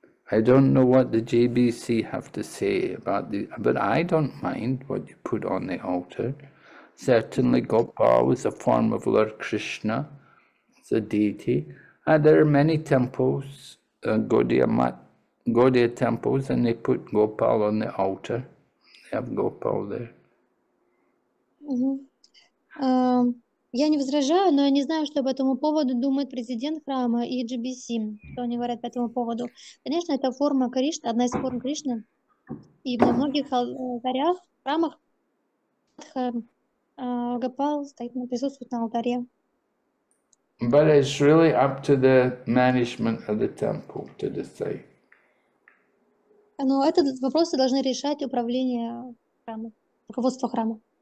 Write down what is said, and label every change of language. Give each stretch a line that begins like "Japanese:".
English: I don't know what the JBC have to say about the, but I don't mind what you put on the altar. Certainly Gopal is a form of Lord Krishna, it's a deity. And there are many temples, Gaudiya temples, and they put Gopal on the altar. They have Gopal there.
Russian: Я не возражаю, но я не знаю, что по этому поводу думает президент храма и GBC, что они говорят по этому поводу. Конечно, это форма Кришны, одна из форм Кришны. И во многих алтарях, храмах Гопал стоит, присутствует на алтаре.
English: But it's really up to the management of the temple to decide.
Russian: Но этот вопрос должны решать управление храма, руководство храма.